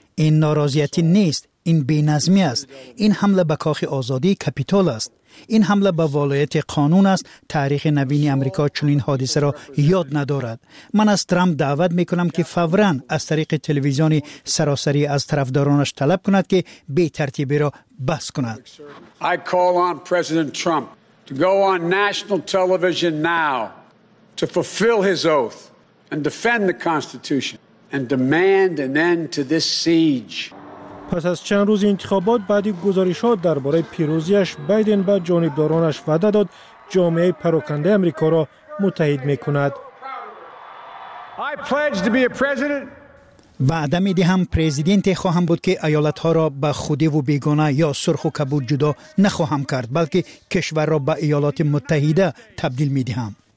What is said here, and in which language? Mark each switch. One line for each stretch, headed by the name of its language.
Persian: این ناراضیتی نیست، این بی‌نظمی است. این حمله به کاخ آزادی کپیتال است. این حمله به ولایت قانون است. تاریخ نوین آمریکا چنین حادثه را یاد ندارد. من از ترامپ دعوت میکنم که فوراً از طریق تلویزیون سراسری از طرفدارانش طلب کند که بی ترتیبی را بس کند.
English: I call on President Trump to go on national television now to fulfill his oath and defend the constitution and demand an end to this siege.
Persian: پس از چند روز انتخابات، بعدی گزارشات درباره پیروزیش، بایدن به جانبدارانش وعده داد جامعه پراکنده آمریکا را متحد میکند. وعده میدهم پرزیدنت خواهم بود که ایالت ها را به خودی و بیگانه یا سرخ و کبود جدا نخواهم کرد، بلکه کشور را به ایالات متحده تبدیل میدهم.